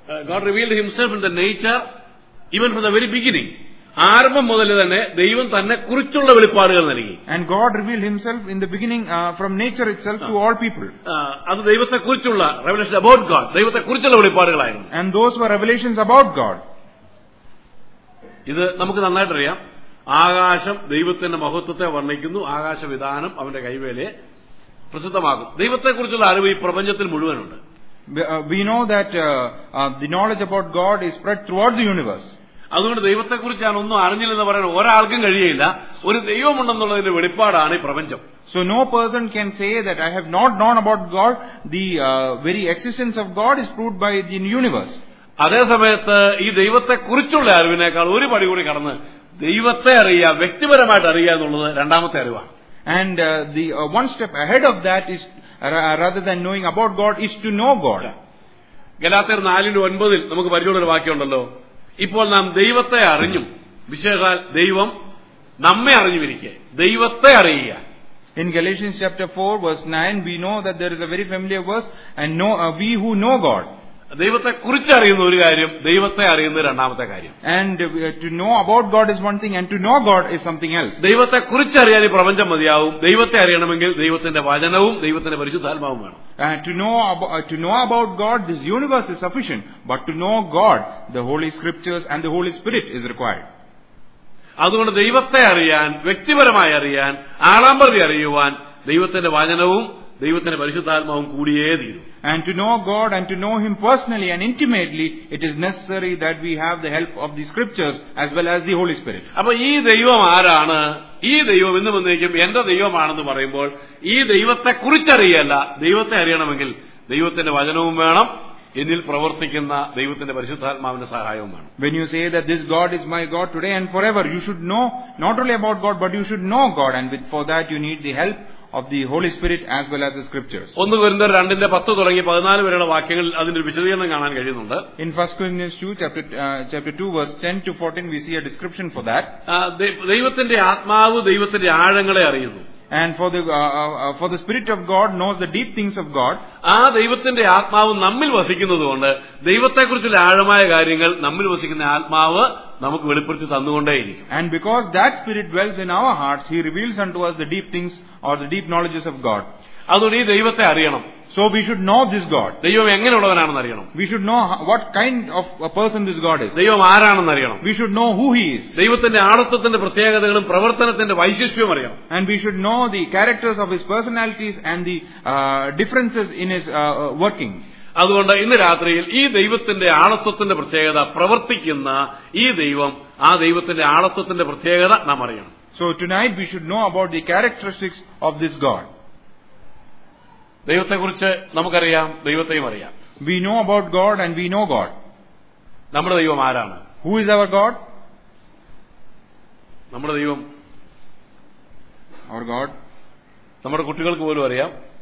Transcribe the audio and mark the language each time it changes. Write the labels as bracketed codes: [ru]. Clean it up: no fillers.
[en] God revealed himself in the nature even from the very beginning. [ml] ആരംഭം മുതൽ തന്നെ ദൈവം തന്നെ കുറിച്ചുള്ള വെളിപ്പാടുകൾ നൽകി. [en] And God revealed himself in the beginning from nature itself to all people. [ml] അത് ദൈവത്തെ കുറിച്ചുള്ള [en] revelation about God, [ml] ദൈവത്തെ കുറിച്ചുള്ള വെളിപ്പാടുകളായിരുന്നു. [en] And those were revelations about God. [ml] ഇത് നമുക്ക് നന്നായിട്ട് അറിയാം. ആകാശം ദൈവത്തിന്റെ മഹത്വത്തെ വർണ്ണിക്കുന്നു. ആകാശ വിധാനം അവന്റെ കൈവേലയെ പ്രസിദ്ധമാകും. ദൈവത്തെക്കുറിച്ചുള്ള അറിവ് ഈ പ്രപഞ്ചത്തിൽ മുഴുവനുണ്ട്. [en] We know that the knowledge about God is spread throughout the universe. [ml] അതുകൊണ്ട് ദൈവത്തെക്കുറിച്ച് ഞാൻ ഒന്നും അറിഞ്ഞില്ലെന്ന് പറയാൻ ഒരാൾക്കും കഴിയയില്ല. ഒരു ദൈവമുണ്ടെന്നുള്ളതിന്റെ വെളിപ്പാടാണ് ഈ പ്രപഞ്ചം. [en] So no person can say that I have not known about God. The very existence of God is proved by the universe. [ml] അതേസമയത്ത് ഈ ദൈവത്തെക്കുറിച്ചുള്ള അറിവിനേക്കാൾ ഒരു പടി കൂടി കടന്ന് ദൈവത്തെ അറിയുക, വ്യക്തിപരമായിട്ട് അറിയുക എന്നുള്ളത് രണ്ടാമത്തെ അറിവാണ്. [en] And the one step ahead of that is rather than knowing about God is to know God. [ml] ഗലാത്യർ 4:9 ൽ നമുക്ക് പരിചയമുള്ള ഒരു വാക്യമുണ്ടല്ലോ, ഇപ്പോൾ നാം ദൈവത്തെ അറിഞ്ഞും വിശേഷാൽ ദൈവം നമ്മെ അറിഞ്ഞുമിരിക്കെ ദൈവത്തെ അറിയുക. [en] In Galatians chapter 4 verse 9 we know that there is a very familiar verse and know we who know God. [ml] ദൈവത്തെ കുറിച്ച് അറിയുന്ന ഒരു കാര്യം, ദൈവത്തെ അറിയുന്ന രണ്ടാമത്തെ കാര്യം. [en] And to know about God is one thing and to know God is something else. [ml] ദൈവത്തെ കുറിച്ച് അറിയാൻ ഈ പ്രപഞ്ചം മതിയാവും. ദൈവത്തെ അറിയണമെങ്കിൽ ദൈവത്തിന്റെ വചനവും ദൈവത്തിന്റെ പരിശുദ്ധാത്മാവും വേണം. [en] To know about God this universe is sufficient but to know God the holy scriptures and the holy spirit is required. [ml] അതുകൊണ്ട് ദൈവത്തെ അറിയാൻ, വ്യക്തിപരമായി അറിയാൻ, ആളാമ്പതി അറിയുവാൻ ദൈവത്തിന്റെ വചനവും ദൈവത്തിന്റെ പരിശുദ്ധാത്മാവും കൂടിയേ തീരും. [en] And to know God and to know Him personally and intimately, it is necessary that we have the help of the Scriptures as well as the Holy Spirit. [ml] അപ്പോൾ ഈ ദൈവം ആരാണ്? ഈ ദൈവം എന്ന് വന്നേക്കും എന്റെ ദൈവമാണെന്ന് പറയുമ്പോൾ ഈ ദൈവത്തെ കുറിച്ചറിയല്ല, ദൈവത്തെ അറിയണമെങ്കിൽ ദൈവത്തിന്റെ വചനവും വേണം, എന്നിൽ പ്രവർത്തിക്കുന്ന ദൈവത്തിന്റെ പരിശുദ്ധാത്മാവിന്റെ സഹായവും വേണം. [en] When you say that this God is my God today and forever, you should know not only about God but you should know God, and with for that you need the help of the Holy Spirit as well as the Scriptures. [ml] 1 കൊരിന്ത്യർ 2:10 തുടങ്ങി 14 വരെയുള്ള വാക്യങ്ങളിൽ അതിന്റെ ഒരു വിശദീകരണം കാണാൻ കഴിയുന്നുണ്ട്. [en] In 1 Corinthians 2 chapter 2 verse 10 to 14 we see a description for that. [ml] ദൈവത്തിന്റെ ആത്മാവ് ദൈവത്തിന്റെ ആഴങ്ങളെ അറിയുന്നു. [en] And for the Spirit of God knows the deep things of God. [ml] ആ ദൈവത്തിന്റെ ആത്മാവ് നമ്മിൽ വസിക്കുന്നതുകൊണ്ട് ദൈവത്തെക്കുറിച്ചുള്ള ആഴമായ കാര്യങ്ങൾ നമ്മിൽ വസിക്കുന്ന ആത്മാവ് നമുക്ക് വെളിപ്പെടുത്തി തന്നുകൊണ്ടേയിരിക്കും. [en] And because that Spirit dwells in our hearts, He reveals unto us the deep things or the deep knowledges of God. [ml] അതുകൊണ്ട് ഈ ദൈവത്തെ അറിയണം. [en] So we should know this God. [ml] ദൈവം എങ്ങനെയുള്ളവനാണെന്ന് അറിയണം. [en] We should know what kind of a person this God is. [ml] ദൈവം ആരാണെന്ന് അറിയണം. [en] We should know who He is. [ml] ദൈവത്തിന്റെ ആളത്വത്തിന്റെ പ്രത്യേകതകളും പ്രവർത്തനത്തിന്റെ വൈശിഷ്ട്യവും അറിയണം. [en] And we should know the characters of His personalities and the differences in His working. [ml] അതുകൊണ്ട് ഇന്ന് രാത്രിയിൽ ഈ ദൈവത്തിന്റെ ആളത്വത്തിന്റെ പ്രത്യേകത പ്രവർത്തിക്കുന്ന ഈ ദൈവം, ആ ദൈവത്തിന്റെ ആളത്വത്തിന്റെ പ്രത്യേകത നാം അറിയണം. [en] So tonight we should know about the characteristics of this God. [ml] ദൈവത്തെക്കുറിച്ച് നമുക്കറിയാം, ദൈവത്തെയും അറിയാം. [en] We know about God and we know God. [ml] നമ്മുടെ ദൈവം ആരാണ്? [en] Who is our God? [ml] നമ്മുടെ ദൈവം [en] Our God. [ml] നമ്മുടെ കുട്ടികൾക്ക് പോലും അറിയാം.